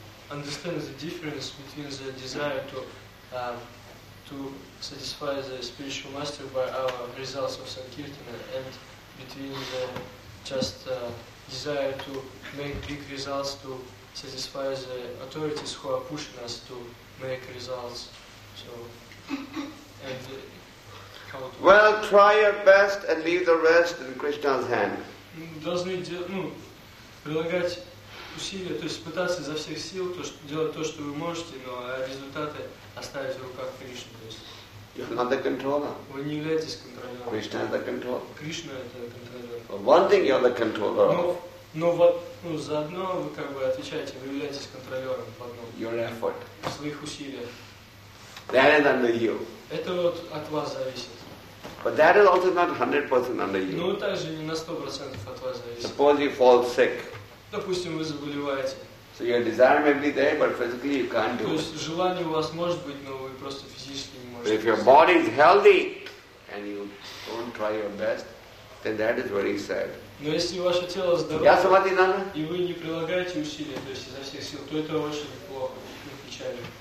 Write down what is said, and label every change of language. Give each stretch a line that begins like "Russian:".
English: Understand the difference between the desire to satisfy the spiritual master by our results of sankirtana and between the just desire to make big results to satisfy the authorities who are pushing us to make results. So, and Well, try your best and leave the rest in Krishna's hand.
Russian: Должны прилагать усилия, то есть пытаться изо всех сил делать то, что вы можете, но результаты оставить в руках Кришны.
English: You're not the controller.
Russian: Вы не являетесь контролером.
English: Krishna is the controller.
Russian: Кришна это контролер.
English: One thing you're the controller of.
Russian: Но вот заодно вы как бы отвечаете, вы являетесь контролером по одному.
English: Your effort.
Russian: Своих усилий.
English: That is under you.
Russian: Это вот от вас зависит.
English: But that is also not 100% under you.
Russian: Ну также не на 100% от вас зависит.
English: Suppose you fall sick.
Russian: Допустим, вы заболеваете.
English: So your desire may be there, but physically you can't do.
Russian: То есть желание у вас может быть, но вы просто физически не можете.
English: But if your body is healthy and you don't try your best, then that is very sad.
Russian: Но если ваше тело здорово,
English: yes, somebody,
Russian: и вы не прилагаете усилия, то есть изо всех сил, то это очень плохо, очень печально.